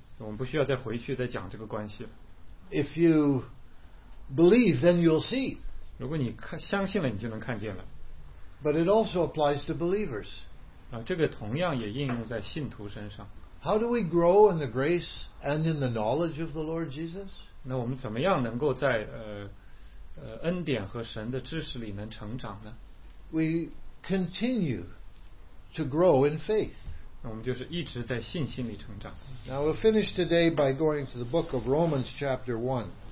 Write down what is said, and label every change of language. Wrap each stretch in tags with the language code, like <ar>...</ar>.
<zh>我们不需要再回去再讲这个关系。</zh> <en>If you believe, then you'll see.</en> <zh>如果你相信了，你就能看见了。</zh> <en>But it also applies to believers.</en> <zh>这个同样也应用在信徒身上。</zh> <en>How do we grow in the grace and in the knowledge of the Lord Jesus?</en> <zh>那我们怎么样能够在恩典和神的知识里能成长呢？</zh> <en>We continue to grow in faith.</en> <zh>那我们就是一直在信心里成长。</zh> <en>Now we'll finish today by going to the book of Romans chapter 1.</en>